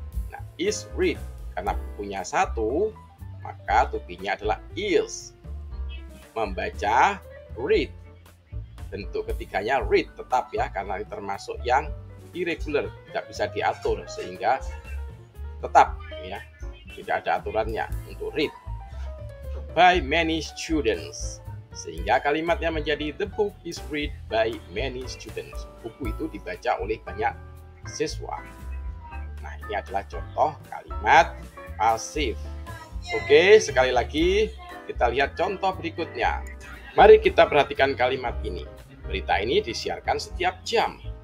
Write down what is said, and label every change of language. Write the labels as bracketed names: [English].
[Indonesian] Nah, is read, karena bukunya satu, maka tupinya adalah is. Membaca, read. Bentuk ketiganya read tetap, ya, karena termasuk yang irregular, tidak bisa diatur, sehingga tetap, ya, tidak ada aturannya untuk read. [English] By many students, [Indonesian] sehingga kalimatnya menjadi, [English] the book is read by many students. [Indonesian] Buku itu dibaca oleh banyak siswa. Nah, ini adalah contoh kalimat pasif. Oke, sekali lagi kita lihat contoh berikutnya. Mari kita perhatikan kalimat ini. Berita ini disiarkan setiap jam.